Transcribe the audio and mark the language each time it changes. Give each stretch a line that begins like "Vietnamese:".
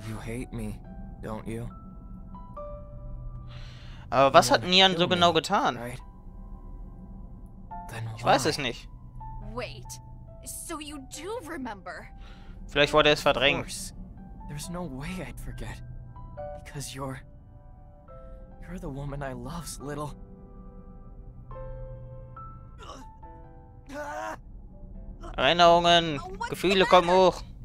English: You hate me, don't you?
German: Aber was hat Nian so genau getan? Ich weiß es nicht.
English: Wait. So you do remember.
German: Vielleicht wurde es verdrängt.
English: There's no way I'd forget. Because you're... You're the woman I love, Little.
German: Erinnerungen, Gefühle kommen hoch.